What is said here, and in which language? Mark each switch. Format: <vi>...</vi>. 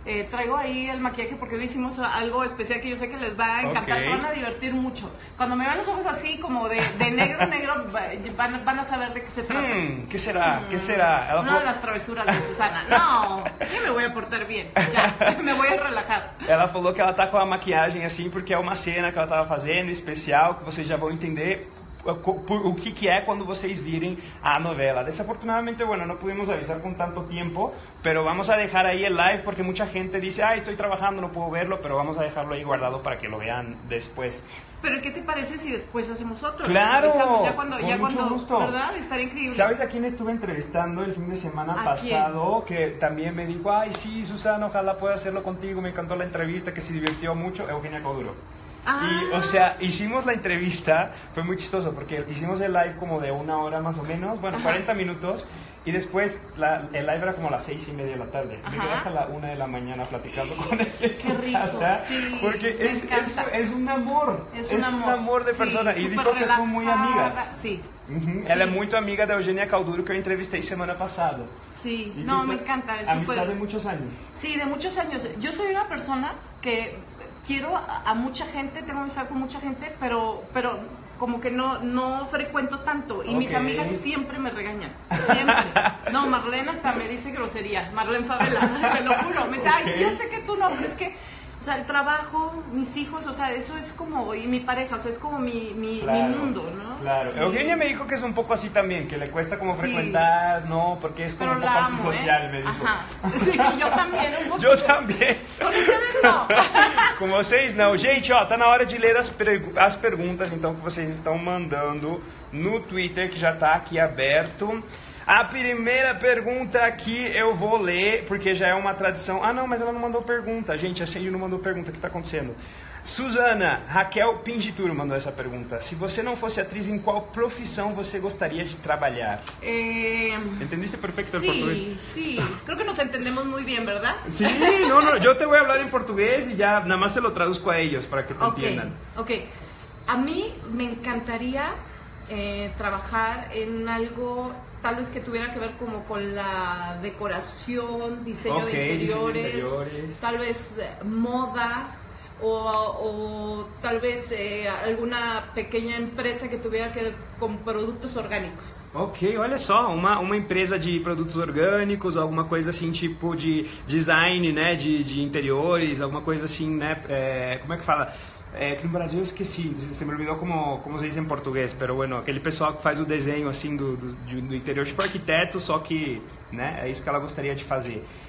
<es>traigo ahí el maquillaje porque hoy hicimos algo especial que yo sé que les va a encantar, okay. Se van a divertir mucho. Cuando me vean los ojos así, como de negro, negro, van a saber de qué se trata. ¿Qué será? ¿Qué será? Una de las travesuras de Susana. No, yo me voy a portar bien, ya, me voy a relajar.</es> <pt>Ela falou que ela tá com a maquiagem assim porque é uma cena que ela tava fazendo especial, que vocês já vão entender o que é quando vocês virem a novela.</pt> <es>Desafortunadamente, bueno, no pudimos avisar con tanto tiempo, pero vamos a dejar ahí el live porque mucha gente dice, ah, estoy trabajando, no puedo verlo, pero vamos a dejarlo ahí guardado para que lo vean después. ¿Pero qué te parece si después hacemos otro? ¡Claro! Ya cuando, mucho gusto. ¿Verdad? Estaría increíble. ¿Sabes a quién estuve entrevistando el fin de semana pasado? Que también me dijo, ay, sí, Susana, ojalá pueda hacerlo contigo. Me encantó la entrevista, que se divirtió mucho. Eugenia Coduro. Ah. Y, o sea, hicimos la entrevista, fue muy chistoso porque hicimos el live como de una hora más o menos, bueno, ajá, 40 minutos, y después el live era como a las 6:30 de la tarde. Ajá. Me quedé hasta la 1 de la mañana platicando con él. Qué rico. Casa, sí, porque es un amor, es un amor de persona, sí, y dijo que son muy amigas. Sí. Uh-huh.</es> <pt>Ela é muito amiga da Eugenia Calduro, que eu entrevistei semana passada. Sim, não,</pt> <es>me encanta.</es> <pt>Amizade de muitos anos. Sim, de muitos anos. Eu sou uma pessoa que quero a muita gente, tenho amizade com muita gente,</pt> <es>pero como que no frecuento tanto. Y mis amigas siempre me regañan. Siempre. No, Marlene hasta me dice grosería. Marlene Favela, te lo juro. Me dice, ay, yo sé que tú no, pero es que... O sea, el trabajo, mis hijos, o sea, eso es como, y mi pareja, o sea, es como mi mundo, ¿no? Claro, sí. Eugenia me dijo que es un poco así también, que le cuesta como frecuentar, sí, ¿no? Porque es como pero un poco antisocial, me dijo. Ajá. Sí, yo también, un poco. Yo también. Con ustedes no.</es> <pt>Con vocês no. Gente, ó, tá na hora de ler as perguntas, então, que vocês estão mandando no Twitter, que já tá aqui aberto. A primeira pergunta aqui eu vou ler, porque já é uma tradição. Ah, não, mas ela não mandou pergunta. Gente, a Cindy não mandou pergunta. O que está acontecendo? Susana, Raquel Pingituro mandou essa pergunta. Se você não fosse atriz, em qual profissão você gostaria de trabalhar?</pt> <es>Entendiste perfeito sí,</es> <pt>o português? Sim, sí.</pt> <es>Creo que nos entendemos muy bien, ¿verdad? Sí, no, yo te voy a hablar en portugués y ya nada más se lo traduzco a ellos para que te entiendan. Ok, a mí me encantaría trabajar en algo... Tal vez que tuviera que ver como con la decoración, diseño, okay, de interiores, diseño de interiores, tal vez moda o tal vez alguna pequeña empresa que tuviera que ver con productos orgánicos.</es> <pt>Ok, olha só, uma empresa de produtos orgânicos, alguma coisa assim, tipo de design, né, de interiores, alguma coisa assim, né, como é que fala? Aqui no Brasil eu esqueci,</pt> <es>se me olvidou</es> <pt>como se diz em português,</pt> <es>pero bueno,</es> <pt>aquele pessoal que faz o desenho assim do interior, tipo arquiteto, só que, né, é isso que ela gostaria de fazer.</pt>